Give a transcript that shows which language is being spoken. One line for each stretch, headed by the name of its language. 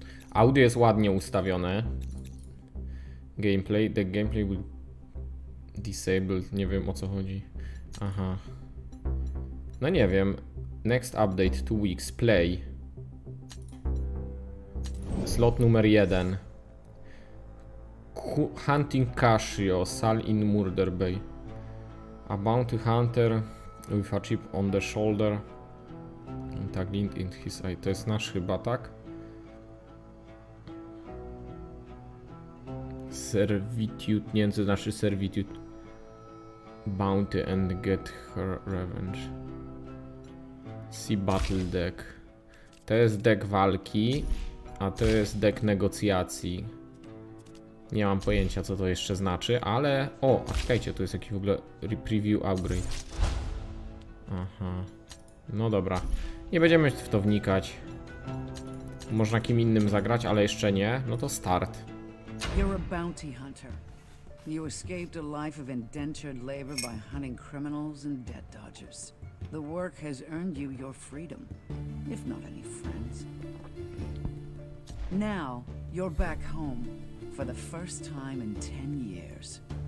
Polish: Audio jest ładnie ustawione.
English: Gameplay. The gameplay will disabled.
Polish: Nie wiem, o co chodzi. Aha. No nie wiem.
English: Next update 2 weeks. Play.
Polish: Slot numer 1.
English: Hunting Cassio. Sal in Murder Bay. A bounty hunter with a chip on the shoulder.
Polish: Tak,
English: Lint in his eye.
Polish: To jest nasz chyba, tak? Servitude, nie wiem, co znaczy servitude.
English: Bounty and get her revenge. See battle deck.
Polish: To jest deck walki, a to jest deck negocjacji. Nie mam pojęcia, co to jeszcze znaczy, ale... O, a czekajcie, tu jest jakiś w ogóle preview upgrade. Aha. No dobra. Nie będziemy w to wnikać. Można kim innym zagrać, ale jeszcze nie. No to start.
English: You're a bounty hunter. You escaped a life of indentured labor by hunting criminals and debt dodgers. The work has earned you your freedom, if not any friends. Now, you're back home for the first time in 10 years.